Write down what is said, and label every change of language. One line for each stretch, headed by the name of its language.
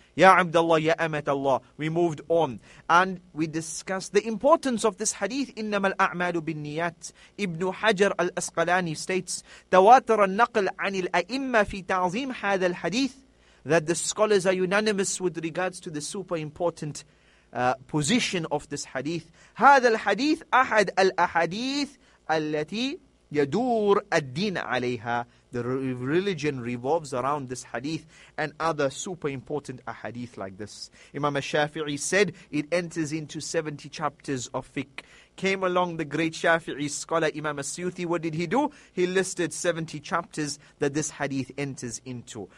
English: Ya Abdullah, Ya Amat Allah, we moved on. And we discussed the importance of this hadith,
Arabic: إِنَّمَا الْأَعْمَالُ بِالنِّيَاتِ.
English: Ibn Hajar al-Asqalani states,
Arabic: تَوَاتَرَ النَّقْلْ عَنِ الْأَئِمَّ فِي تَعْظِيمْ هَذَا الْحَدِيثِ,
English: that the scholars are unanimous with regards to the super important position of this hadith.
Arabic: هذا الحديث أحد الأحاديث التي يدور الدين عليها.
English: The religion revolves around this hadith and other super important ahadith like this. Imam al-Shafi'i said it enters into 70 chapters of fiqh. Came along the great Shafi'i scholar Imam al-Suyuti. What did he do? He listed 70 chapters that this hadith enters into.